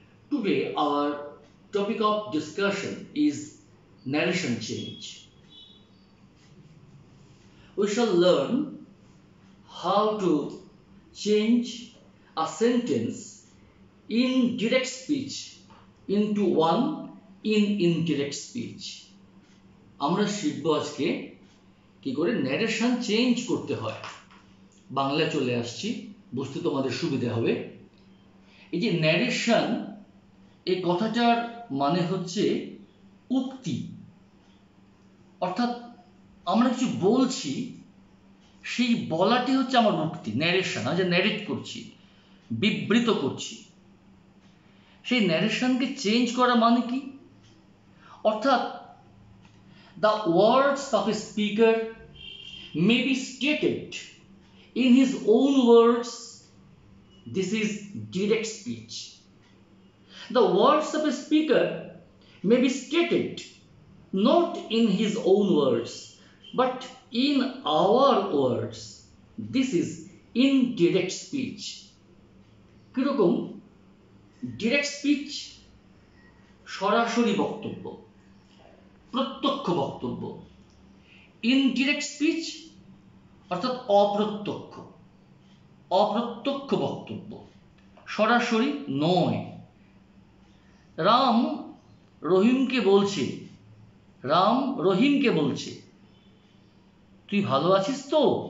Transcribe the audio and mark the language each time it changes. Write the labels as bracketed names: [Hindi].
[English] Today, our topic of discussion is narration change. We shall learn how to change a sentence in direct speech into one in indirect speech. [Bangla] আমরা শিখবো আজকে কি করে narration change করতে হয়। বাংলা চলে আসছি, বুঝতে তোমাদের সুবিধা হবে। এই যে narration, এই কথাটার মানে হচ্ছে উক্তি। অর্থাৎ আমরা কিছু বলছি, সেই বলাটি হচ্ছে আমার উক্তি, narration, আজ narrate করছি, বিবৃত করছি। সেই narrationকে change করা মানে কি? অর্থাৎ [English] the words of a speaker may be stated in his own words. This is direct speech. The words of a speaker may be stated not in his own words but in our words. This is indirect speech. [Bangla] কিরকম [English] direct speech? [Bangla] সরাসরি বক্তব্য, প্রত্যক্ষ বক্তব্য। Indirect speech অর্থাৎ অপ্রত্যক্ষ, অপ্রত্যক্ষ বক্তব্য, সরাসরি নয়। রাম রহিমকে বলছে, রাম রহিমকে বলছে, তুই ভালো আছিস তো?